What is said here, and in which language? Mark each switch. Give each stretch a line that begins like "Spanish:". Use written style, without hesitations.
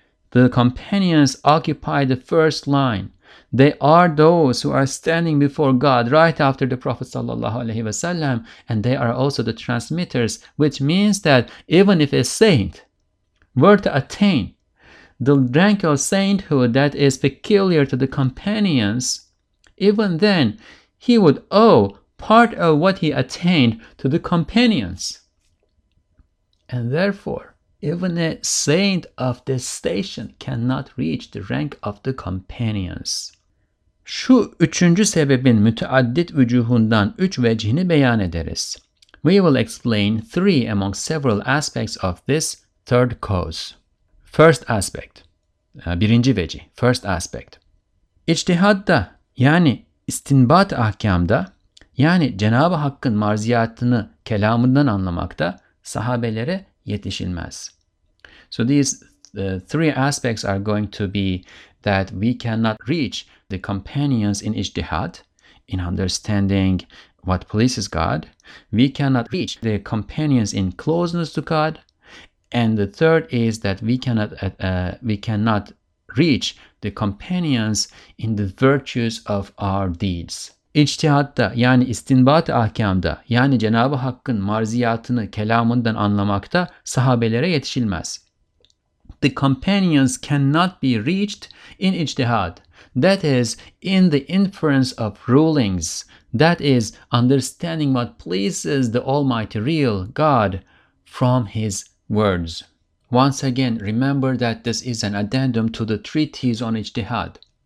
English: The companions occupy the first line. They are those who are standing before God right after the Prophet sallallahu alaihi wasallam, and they are also the transmitters, which means that even if a saint were to attain the rank of sainthood that is peculiar to the companions, even then he would owe part of what he attained to the companions. And therefore, even a saint of this station cannot reach the rank of the companions.
Turkish: Şu üçüncü sebebin müteaddit vücuhundan üç vecihini beyan ederiz.
English: We will explain three among several aspects of this third cause. First aspect,
Turkish: birinci vecih,
English: first aspect.
Turkish: İçtihadda, yani istinbat ahkamda, yani Cenab-ı Hakk'ın marziyatını kelamından anlamakta sahabelere yetişilmez.
English: So these three aspects are going to be that we cannot reach the companions in ijtihad, in understanding what pleases God. We cannot reach the companions in closeness to God. And the third is that we cannot reach the companions in the virtues of our deeds.
Turkish: İçtihatta, yani istinbat-ı ahkamda, yani Cenab-ı Hakk'ın marziyatını kelamından anlamakta sahabelere yetişilmez.
English: The companions cannot be reached in ijtihad. That is, in the inference of rulings. That is, understanding what pleases the Almighty Real God from His words. Once again, remember that this is an addendum to the treatise on ijtihad.